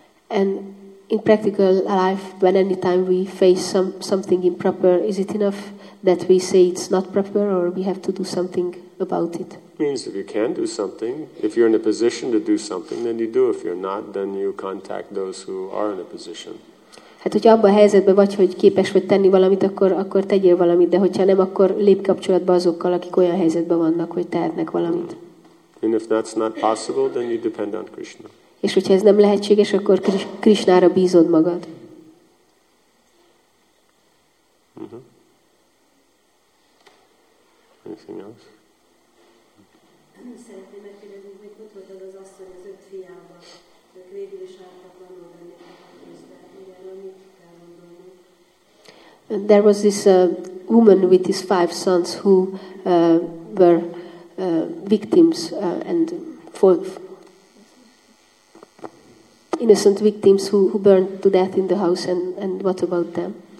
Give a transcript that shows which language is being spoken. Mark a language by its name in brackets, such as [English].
[English] And in practical life, when any time we face something improper, is it enough that we say it's not proper, or we have to do something about it? It means if you can do something, if you're in a position to do something, then you do. If you're not, then you contact those who are in a position. [Hungarian] Hát, hogyha abban a helyzetben vagy, hogy képes vagy tenni valamit, akkor tegyél valamit, de hogyha nem, akkor lép kapcsolatba azokkal, akik olyan helyzetben vannak, hogy tehetnek valamit. [English] And if that's not possible, then you depend on Krishna. [Hungarian] És hogyha ez nem lehetséges, akkor Krisnára bízod magad. [English] Uh-huh. Anything else? [Hungarian] Szeretném megkérdezni, hogy ott volt az asszony az öt fiával. Ők végül is álltak annól benne, hogy ezt erről mit kell mondani. [English] There was this woman with his five sons who were victims and for innocent victims who burned to death in the house, and what about them?